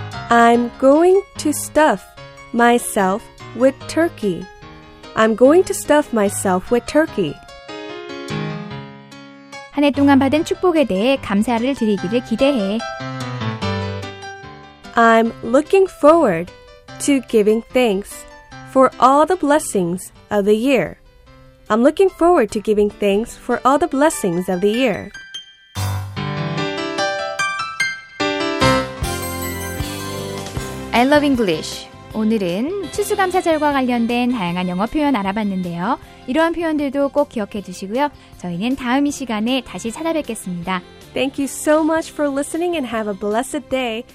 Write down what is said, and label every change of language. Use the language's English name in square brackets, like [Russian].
[English] I'm going to stuff myself with turkey. I'm going to stuff myself with turkey. [Korean] 한 해 동안 받은 축복에 대해 감사를 드리기를 기대해. [English] I'm looking forward to giving thanks for all the blessings of the year. I'm looking forward to giving thanks for all the blessings of the year. 'I love English.' [Korean] 오늘은 추수감사절과 관련된 다양한 영어 표현 알아봤는데요. 이러한 표현들도 꼭 기억해 두시고요. 저희는 다음 이 시간에 다시 찾아뵙겠습니다. [English] Thank you so much for listening and have a blessed day.